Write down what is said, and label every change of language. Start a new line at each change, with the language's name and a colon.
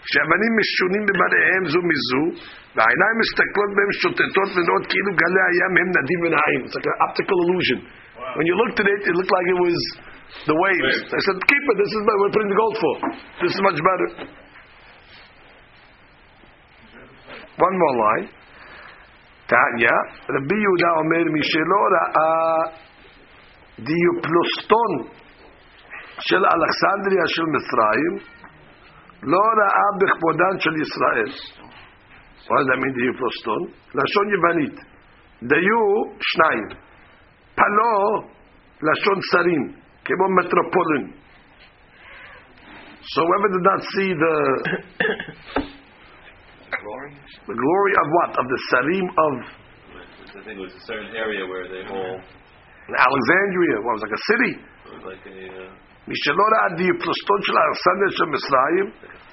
Hebrew: שאבנים משונים בבדיהם זו מזו והעיניים מסתכלות בהם שוטטות ונראות כאילו גלי הים הם נדים ונעים.
English: It's like an optical illusion. Wow. When you looked at it, it looked like it was the waves. I said, keep it, this is what we're putting the gold for. This is much better. One more line.
Hebrew: תעניה, רבי יהודה אומר משלא ראה דיופלוסטון של אלכסנדריה של מצרים לא ראה בכבודן של ישראל. מה זה מין דיו פלוסטון? לשון יוונית. דיו שניים. פלו לשון שרים, כמו מטרופולין.
English: So whoever did not see the the glory of what? Of the sarim of, I think it was a certain area where they all in Alexandria. What, it was like a city? It was like a
Hebrew: משלא ראה דיו פלוסטון של אלכסנדר של מצרים.